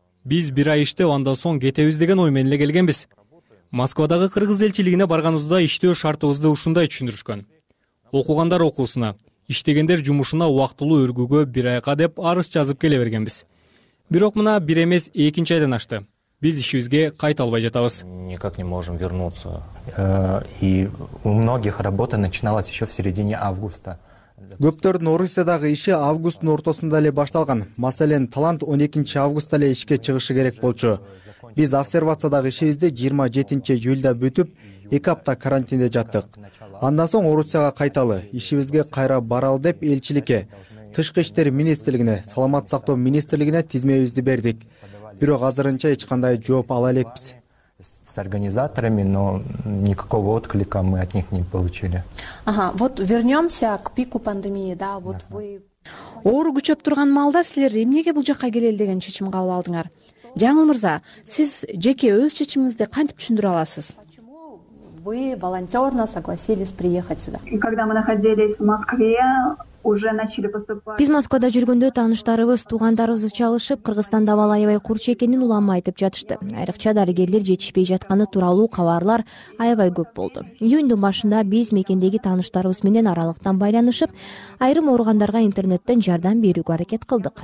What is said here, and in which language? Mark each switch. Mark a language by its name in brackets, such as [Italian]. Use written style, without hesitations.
[Kyrgyz] Биз бир ай иштеп, андан соң кетебиз деген ой менен эле келгенбиз. Москвадагы кыргыз элчилигине барганыбызда иштөө шартыбызды ушундай түшүндүрүшкөн. Окугандар окуусуна, иштегендер жумушуна убактылуу өргүгө бир айга деп арыз жазып келе бергенбиз. Бирок мына бир эмес экинчи айдан ашты. Биз ишибизге кайта албай жатабыз. [Russian] Никак не можем вернуться. И у многих работа начиналась еще в середине августа. [Kyrgyz] Көптөрдүн Орусиядагы иши августтун ортосунда эле башталган. Маселен, Талант 12 августта эле ишке чыгышы керек болчу. Биз обсервациядагы ишибизди 27 июлда бүтүп, 2 апта карантинде жаттык. Андан соң Орусияга кайталы, ишибизге кайра баралы деп элчиликке, тышкы иштер министрлигине, саламат сактоо министрлигине тизмебизди бердик. Бирок азырынча эч кандай жооп ала элекпиз. [Russian] С организаторами, но никакого отклика мы от них не получили. Ага, вот вернемся к пику пандемии, да, вот вы... [Kyrgyz] Оору күчөп турган маалда силер эмнеге бул жакка келели деген чечим кабыл алдыңар? Жаңыл Мырза, сиз жеке өз чечимиңизди кантип түшүндүрө аласыз? [Russian] Вы волонтерно согласились приехать сюда? Когда мы находились в Москве, уже начали поступать... [Kyrgyz] Биз Москвада жүргөндө тааныштарыбыз, туугандарыбыз чалышып, Кыргызстанда абал аябай курч экенин улам айтып жатышты. Айрыкча дарыгерлер жетишпей жатканы тууралуу кабарлар аябай көп болду. Июндун башында биз мекендеги тааныштарыбыз менен аралыктан байланышып, айрым ооругандарга интернеттен жардам берүүгө аракет кылдык.